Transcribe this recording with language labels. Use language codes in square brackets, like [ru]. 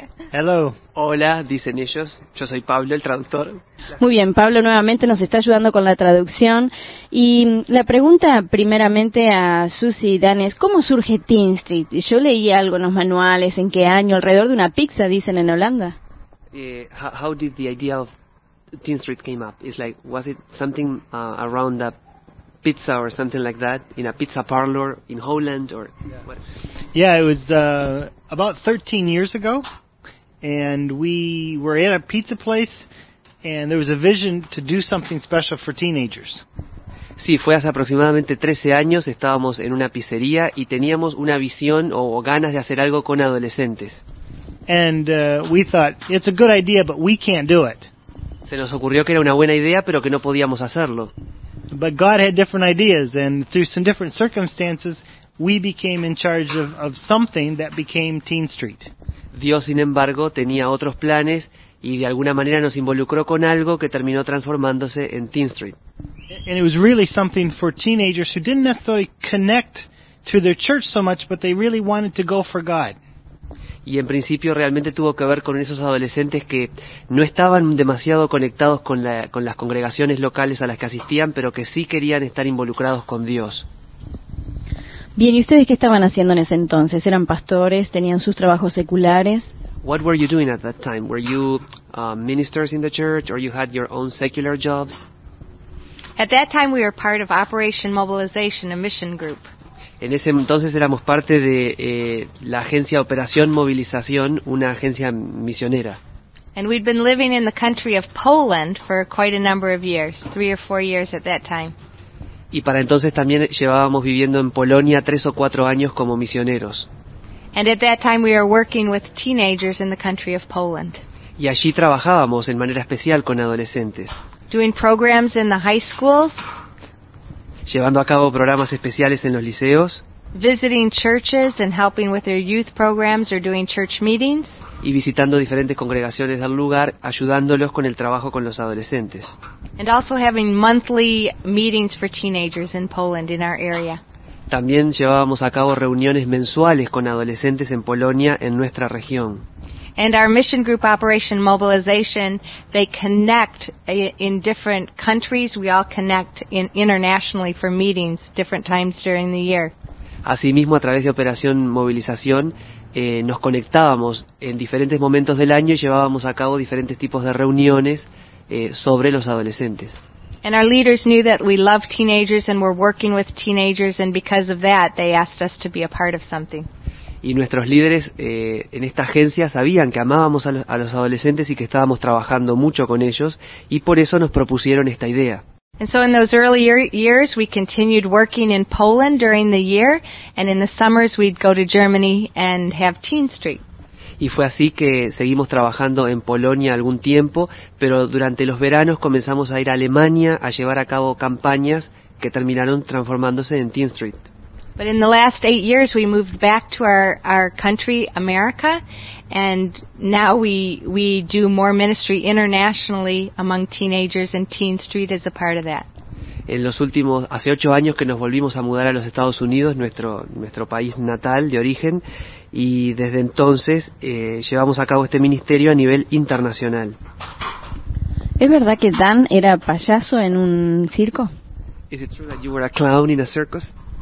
[en] Hello. [es] Hola, dicen ellos. Yo soy Pablo, el traductor. Muy bien, Pablo nuevamente nos está ayudando con la traducción. Y la pregunta primeramente a Susie y Dan es, ¿cómo surge Teen Street? Yo leí algo en los manuales, ¿en qué año? Alrededor de una pizza, dicen en Holanda. [en] How did the idea of Teen Street came up? It's like, was it something around the pizza or something like that in a pizza parlor in Holland or what? Yeah, it was about 13 years ago, and we were at a pizza place, and there was a vision to do something special for teenagers. [es] Sí, fue hace aproximadamente 13 años, estábamos en una pizzería y teníamos una visión o ganas de hacer algo con adolescentes. [en] And we thought it's a good idea, but we can't do it. [es] Se nos ocurrió que era una buena idea, pero que no podíamos hacerlo. [en] But God had different ideas, and through some different circumstances, we became in charge of something that became Teen Street. [es] Dios, sin embargo, tenía otros planes, y de alguna manera nos involucró con algo que terminó transformándose en Teen Street. [en] And it was really something for teenagers who didn't necessarily connect to their church so much, but they really wanted to go for God. [es] Y en principio realmente tuvo que ver con esos adolescentes que no estaban demasiado conectados con las congregaciones locales a las que asistían, pero que sí querían estar involucrados con Dios. Bien, ¿y ustedes qué estaban haciendo en ese entonces? ¿Eran pastores? ¿Tenían sus trabajos seculares? [en] What were you doing at that time? Were you ministers in the church or you had your own secular jobs? At that time we were part of Operation Mobilization, a mission group. [es] En ese entonces éramos parte de la agencia Operación Movilización, una agencia misionera. [en] And we'd been living in the country of Poland for quite a number of years, 3 or 4 years at that time. [es] y para entonces también llevábamos viviendo en Polonia 3 o 4 años como misioneros. [en] And at that time we were working with teenagers in the country of Poland. [es] Y allí trabajábamos en manera especial con adolescentes. [en] Doing programs in the high schools. [es] Llevando a cabo programas especiales en los liceos. [en] Visiting churches and helping with their youth programs or doing church meetings. [es] Y visitando diferentes congregaciones del lugar, ayudándolos con el trabajo con los adolescentes. [en] And also having monthly meetings for teenagers in Poland in our area. También llevábamos a cabo reuniones mensuales con adolescentes en Polonia en nuestra región. And our mission group Operation Mobilization, they connect in different countries. We all connect internationally for meetings different times during the year. [es] Asimismo, a través de Operación Movilización, nos conectábamos en diferentes momentos del año y llevábamos a cabo diferentes tipos de reuniones sobre los adolescentes. [en] And our leaders knew that we love teenagers and were working with teenagers, and because of that, they asked us to be a part of something. [es] Y nuestros líderes en esta agencia sabían que amábamos a los adolescentes y que estábamos trabajando mucho con ellos, y por eso nos propusieron esta idea. [en] And so in those early years, we continued working in Poland during the year, and in the summers, we'd go to Germany and have Teen Street. [es] Y fue así que seguimos trabajando en Polonia algún tiempo, pero durante los veranos comenzamos a ir a Alemania a llevar a cabo campañas que terminaron transformándose en Teen Street. [en] But in the last 8 years, we moved back to our country, America, and now we do more ministry internationally among teenagers, and Teen Street is a part of that. En los últimos, hace 8 años que nos volvimos a mudar a los Estados Unidos, nuestro país natal de origen, y desde entonces llevamos a cabo este ministerio a nivel internacional. [es] ¿Es verdad que Dan era payaso en un circo? [en] Is it true that you were a clown in a circus?